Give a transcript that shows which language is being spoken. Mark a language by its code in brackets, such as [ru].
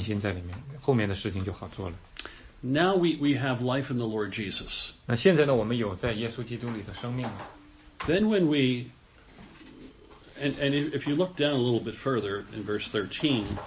[zh] 所以重要的是我们先要相信神的儿子，相信耶稣基督。我们有了呢，我们就有圣灵在里面，就有了信心在里面，后面的事情就好做了。 [en] Now we have life in the Lord Jesus. [zh] 那现在呢，我们有在耶稣基督里的生命了。 [en] Then when we... And if you look down a little bit further in verse 13,